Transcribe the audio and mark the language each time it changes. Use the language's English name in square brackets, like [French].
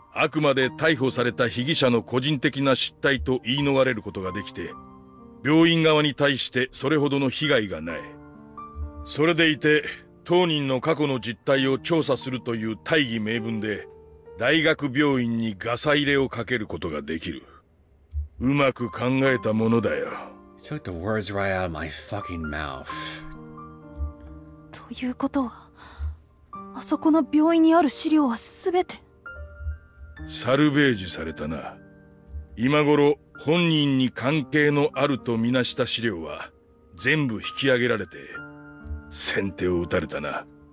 [Japanese] あくまで逮捕された被疑者の個人的な失態と言い逃れることができて、病院側に対してそれほどの被害がない。それでいて、当人の過去の実態を調査するという大義名分で、大学病院にガサ入れをかけることができる。うまく考えたものだよ。 [English] Took the words right out of my fucking mouth. [Japanese] ということは、あそこの病院にある資料は全てサルベージされたな。今頃本人に関係のあるとみなした資料は全部引き上げられて先手を打たれたな。